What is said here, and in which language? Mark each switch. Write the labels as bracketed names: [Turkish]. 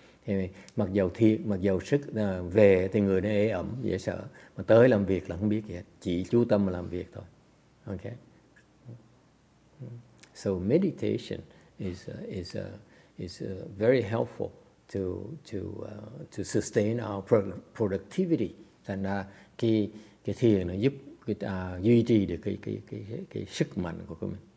[Vietnamese] Thì mặc dù thiệt, mặc dù sức về thì người nó ê ẩm, dễ sợ. Mà tới làm việc là không biết gì hết. Chỉ chú tâm làm việc thôi. [English] Okay. So meditation is very helpful to sustain our productivity. [Vietnamese] Thành ra cái thiền nó giúp duy trì được cái sức mạnh của mình.